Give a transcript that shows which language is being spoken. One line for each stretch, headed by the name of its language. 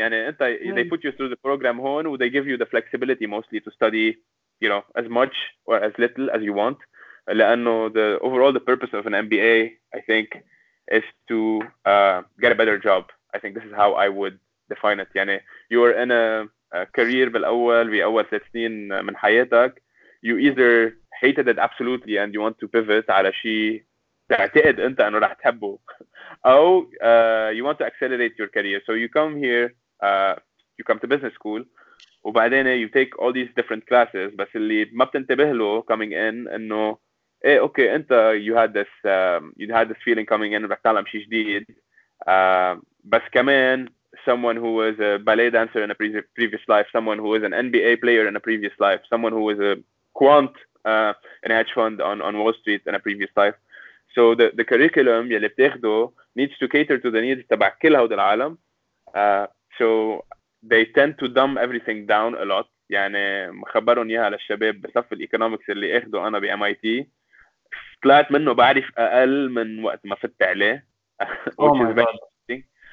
Arabic: Yani,
English: they put you through the program here, and they give you the flexibility mostly to study. You know, as much or as little as you want.
Arabic: لأنه
English: the overall the purpose of an MBA, I think, is to get a better job. I think this is how I would define it.
Arabic: يعني
English: you are in a career
Arabic: بالأول بأول 3 سنين من حياتك.
English: You either hated it absolutely and you want to pivot
Arabic: على شيء تعتقد أنت أنه راح تحبه, أو
English: you want to accelerate your career. So you come here, you come to business school.
Arabic: وبعدين
English: you take all these different classes.
Arabic: بس اللي ما بتنتبه له
English: coming in
Arabic: انه ايه اوكي انت
English: you had this feeling coming in
Arabic: بتعلم شيء جديد, بس كمان
English: someone who was a ballet dancer in a previous life, someone who was an NBA player in a previous life, someone who was a quant in a hedge fund on Wall Street in a previous life. So the curriculum
Arabic: يلي بتاخده
English: needs to cater to the needs
Arabic: تبع كل هود العالم.
English: So they tend to dumb everything down a lot.
Arabic: يعني مخبرون إياها للشباب بصف الإيكونومكس اللي أخده أنا بـ MIT طلعت منه بعرف أقل من وقت ما فت عليه
English: which is very interesting.